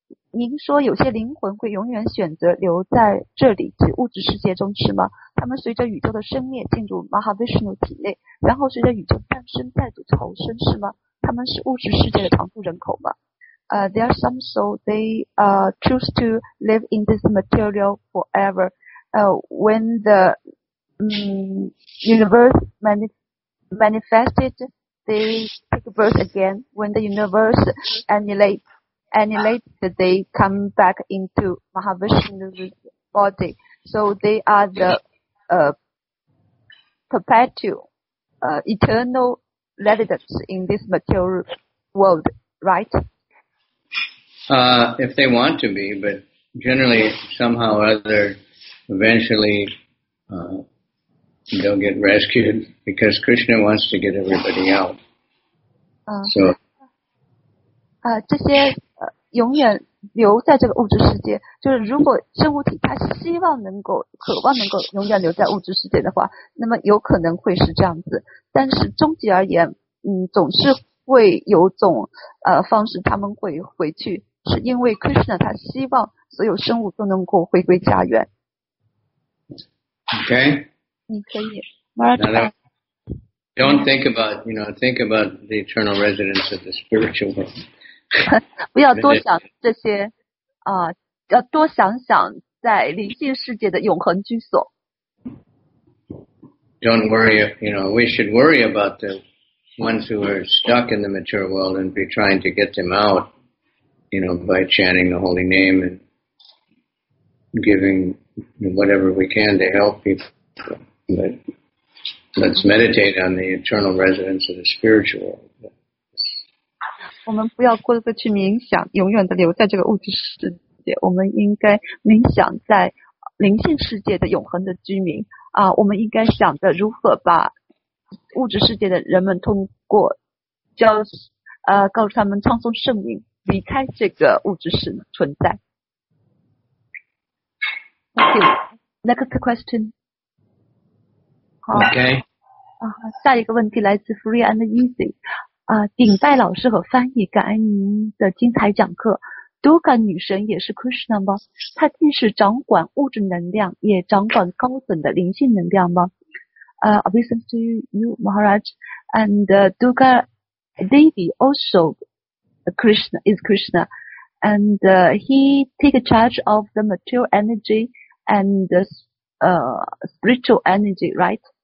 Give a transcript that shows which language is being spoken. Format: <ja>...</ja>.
<zh>您说有些灵魂会永远选择留在这里，即物质世界中，是吗？他们随着宇宙的生灭进入 Mahavishnu 体内，然后随着宇宙诞生再度投生，是吗？他们是物质世界的常住人口吗？</zh> <en>There are some souls, they, choose to live in this material forever. When theUniverse manifested, they take birth again. When the universe annihilates, they come back into Mahavishnu's body. So they are the perpetual, eternal residents in this material world, right? If they want to be, but generally, somehow or other, eventually, they'll get rescued because Krishna wants to get everybody out. So,</en> <zh>这些永远留在这个物质世界，就是如果生物体它希望能够、渴望能够永远留在物质世界的话，那么有可能会是这样子。但是终极而言，总是会有种方式他们会回去，是因为 Krishna 他希望所有生物都能够回归家园。</zh> <en>Okay.</en> <zh>你可以</zh> <en>Don't think about, you know, think about the eternal residence of the spiritual world.</en> <zh>不要多想这些要多想想在灵性世界的永恒居所。</zh> <en>Don't worry, you know, we should worry about the ones who are stuck in the material world and be trying to get them out, you know, by chanting the holy name and giving whatever we can to help people. But let's meditate on the eternal residence of the spiritual world.</en> <zh>我们不要过多去冥想，永远的留在这个物质世界。我们应该冥想在灵性世界的永恒的居民。我们应该想着如何把物质世界的人们通过教告诉他们唱诵圣名，离开这个物质世存在。</zh> <en>Okay, next question. Okay.</en> <zh>下一个问题来自 Free and Easy. 啊，顶拜老师和翻译感恩您的精彩讲课。多感女神也是 Krishna 吗？她既是掌管物质能量，也掌管高等的灵性能量吗？</zh> <en>Obeisance to you, Maharaj, and Durga Devi also Krishna is Krishna, and he take charge of the material energy and the spiritual energy, right?</en>